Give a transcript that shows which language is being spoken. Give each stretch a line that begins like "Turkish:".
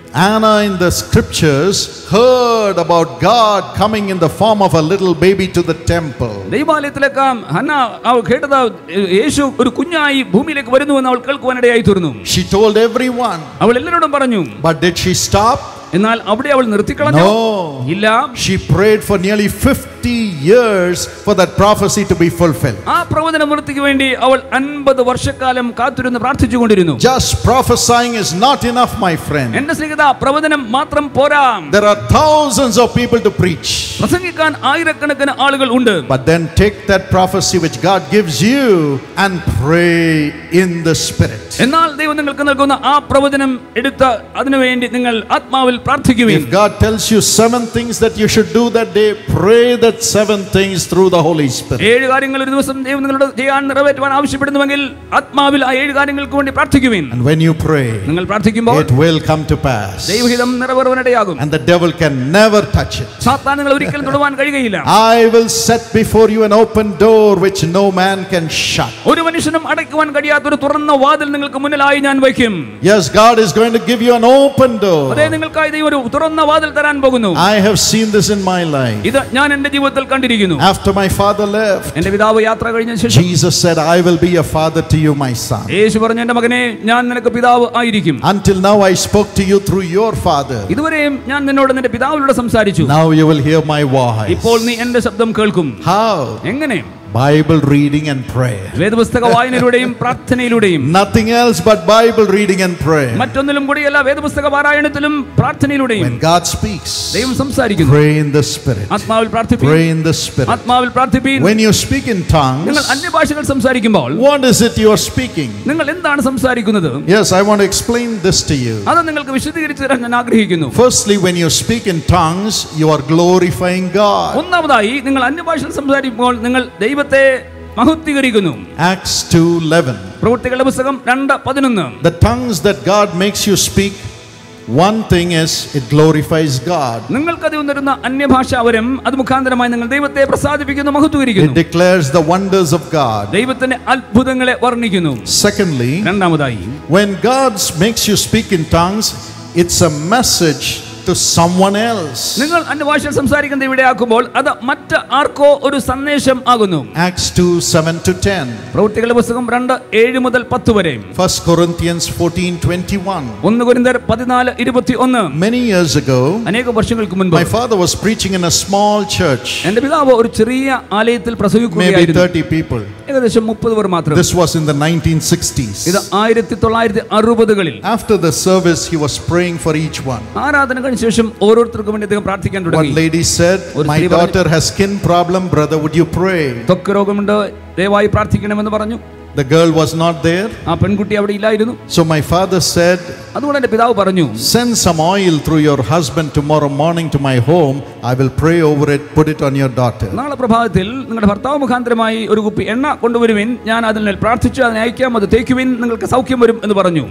English: Anna in the scriptures heard about God coming in the form of a little baby to the temple.
Malayalam: ദൈവാലയത്തിലേക്കാം Hannah അവൾ കേട്ടത് യേശു ഒരു കുഞ്ഞായി ഭൂമിയിലേക്ക് വരുന്നു എന്ന് അവൾ കേൾക്കുവാനിടയായി തീർന്നു.
English: She told everyone.
Malayalam: അവൾ എല്ലാവരോടും പറഞ്ഞു.
English: But did she stop?
Malayalam: എന്നാൽ അവിടെ അവൾ നിർത്തിക്കളഞ്ഞു. ഇല്ല.
English: She prayed for nearly 50 years for that prophecy to be fulfilled.
Malayalam: ആ പ്രവചനം നിർത്തിക്ക് വേണ്ടി അവൾ 50 വർഷക്കാലം കാത്തിരുന്ന് പ്രാർത്ഥിച്ചുകൊണ്ടിരുന്നു.
English: Just prophesying is not enough, my friend.
Malayalam: എന്നെ സ്നേഹിത പ്രവചനം മാത്രം പോരാ.
English: There are thousands of people to preach.
Malayalam: പ്രസംഗിക്കാൻ ആയിരക്കണക്കിന് ആളുകൾ ഉണ്ട്.
English: But then take that prophecy which God gives you and pray in the spirit.
Malayalam: എന്നാൽ ദൈവം നിങ്ങൾക്ക് നൽകുന്ന ആ പ്രവചനം എടുത്ത് അതിനുവേണ്ടി നിങ്ങൾ ആത്മാവിൽ പ്രാർത്ഥിക്കുവിൻ.
English: If God tells you 7 things that you should do that day, pray that 7 things through the Holy Spirit.
Malayalam: ഏഴ് കാര്യങ്ങൾ ഒരു ദിവസം ദൈവം നിങ്ങളോട് ചെയ്യാൻ നിറവേറ്റുവാൻ ആവശ്യപ്പെടുന്നുവെങ്കിൽ ആത്മാവിൽ ആ ഏഴ് കാര്യങ്ങൾക്ക് വേണ്ടി പ്രാർത്ഥിക്കുവിൻ.
English: And when you pray,
Malayalam: നിങ്ങൾ പ്രാർത്ഥിക്കുമ്പോൾ
English: it will come to pass.
Malayalam: ദൈവഹിതം നിറവേറുവാനിടയാകും.
English: And the devil can never touch it.
Malayalam: സാത്താൻ നിങ്ങളെ ഒരിക്കലും തൊടുവാൻ കഴിയയില്ല.
English: I will set before you an open door which no man can shut.
Malayalam: ഒരു മനുഷ്യനും അടയ്ക്കുവാൻ കഴിയാത്ത ഒരു തുറന്ന വാതിൽ നിങ്ങൾക്ക് മുന്നിലായി ഞാൻ വെക്കും.
English: Yes, God is going to give you an open door.
Malayalam: അതേ നിങ്ങൾക്കായി ദൈവം ഒരു തുറന്ന വാതിൽ തരാൻ പോകുന്നു.
English: I have seen this in my life.
Malayalam: ഇത് ഞാൻ എൻ്റെ ജീവിതത്തിൽ കണ്ടിരിക്കുന്നു.
English: After my father left.
Malayalam: എൻ്റെ പിതാവ് യാത്ര കഴിഞ്ഞ ശേഷം.
English: Jesus said, I will be a father to you, my son.
Malayalam: യേശു പറഞ്ഞു എൻ്റെ മകനെ ഞാൻ നിനക്ക് പിതാവ് ആയിരിക്കും.
English: Until now I spoke to you through your father.
Malayalam: ഇതുവരെയും ഞാൻ നിന്നോട് നിന്റെ പിതാവിലൂടെ സംസാരിച്ചു.
English: Now you will hear my voice.
Malayalam: ഇപ്പോൾ നീ എൻ്റെ ശബ്ദം കേൾക്കും.
English: How?
Malayalam: എങ്ങനെ?
English: Bible reading and prayer.
Malayalam: വേദപുസ്തക വായനയിലൂടെയും പ്രാർത്ഥനയിലൂടെയും.
English: Nothing else but Bible reading and prayer.
Malayalam: മറ്റൊന്നിലും കൂടിയല്ല വേദപുസ്തക പാരായണത്തിലും പ്രാർത്ഥനയിലൂടെയും.
English: When God speaks.
Malayalam: ദൈവം സംസാരിക്കുന്നു.
English: Pray in the spirit.
Malayalam: ആത്മാവിൽ പ്രാർത്ഥിപ്പീൻ.
English: Pray in the spirit.
Malayalam: ആത്മാവിൽ പ്രാർത്ഥിപ്പീൻ.
English: When you speak in tongues.
Malayalam: നിങ്ങൾ അന്യഭാഷകൾ സംസാരിക്കുമ്പോൾ.
English: What is it you are speaking?
Malayalam: നിങ്ങൾ എന്താണ് സംസാരിക്കുന്നത്?
English: Yes, I want to explain this to you.
Malayalam: അത് നിങ്ങൾക്ക് വിശദീകരിച്ചു തരാൻ ഞാൻ ആഗ്രഹിക്കുന്നു.
English: Firstly, when you speak in tongues, you are glorifying God.
Malayalam: ഒന്നാമതായി നിങ്ങൾ അന്യഭാഷകൾ സംസാരിക്കുമ്പോൾ നിങ്ങൾ ദൈവത്തെ മഹത്വീകരിക്കുന്നു.
English: Acts 2:11.
Malayalam: പ്രവൃത്തികളുടെ പുസ്തകം 2:11.
English: The tongues that God makes you speak, one thing is it glorifies God.
Malayalam: നിങ്ങൾക്കതി ഉണ്ടരുന്ന അന്യഭാഷാവരം അതുമുഖാന്തരമായി നിങ്ങൾ ദൈവത്തെ പ്രസാദിപ്പിക്കുന്നു, മഹത്വീകരിക്കുന്നു.
English: It declares the wonders of God.
Malayalam: ദൈവത്തിന്റെ അത്ഭുതങ്ങളെ വർണ്ണിക്കുന്നു.
English: Secondly,
Malayalam: രണ്ടാമതായി,
English: when God makes you speak in tongues, it's a message to someone else.
Malayalam: നിങ്ങൾ അന്യഭാഷയിൽ സംസാരിക്കുന്ന ഇവിടെ ആക്കുമ്പോൾ അത് മറ്റ് ആർക്കോ ഒരു സന്ദേശം ആകുന്നു.
English: Acts 2:7-10.
Malayalam: പ്രവൃത്തികളുടെ പുസ്തകം 2:7-10. 1 കൊരിന്ത്യർ 14:21.
English: Many years ago,
Malayalam: അനേക വർഷങ്ങൾക്ക് മുൻപ്,
English: my father was preaching in a small church.
Malayalam: എന്റെ പിതാവ് ഒരു ചെറിയ ആലയത്തിൽ പ്രസംഗിക്കുകയായിരുന്നു.
English: Maybe 30 people.
Malayalam: ഏകദേശം 30 പേർ മാത്രം.
English: This was in the 1960s.
Malayalam: ഇത് 1960s.
English: After the service he was praying for each one.
Malayalam: ആരാധന ശേഷം ഓരോരുത്തർക്കും വേണ്ടി പ്രാർത്ഥിക്കാൻ തുടങ്ങി.
English: One lady said, my daughter has skin problem, brother, would you pray?
Malayalam: ത്വക്ക് രോഗമുണ്ട്, ദയവായി പ്രാർത്ഥിക്കണമെന്ന് പറഞ്ഞു.
English: The girl was not there.
Malayalam: ആ പെൺകുട്ടി അവിടെ ഇല്ലായിരുന്നു.
English: So my father said,
Malayalam: അതുകൊണ്ട് എന്റെ പിതാവ് പറഞ്ഞു,
English: send some oil through your husband tomorrow morning to my home. I will pray over it, put it on your daughter.
Malayalam: നാളെ പ്രഭാതത്തിൽ നിങ്ങളുടെ ഭർത്താവ് മുഖാന്തരമായി ഒരു കുപ്പി എണ്ണ കൊണ്ടുവരുവിൻ, ഞാൻ അതിനെ പ്രാർത്ഥിച്ചു അതിനെ അയക്കാം, അത് തേക്കുവിൻ, നിങ്ങൾക്ക് സൗഖ്യം വരും എന്ന് പറഞ്ഞു.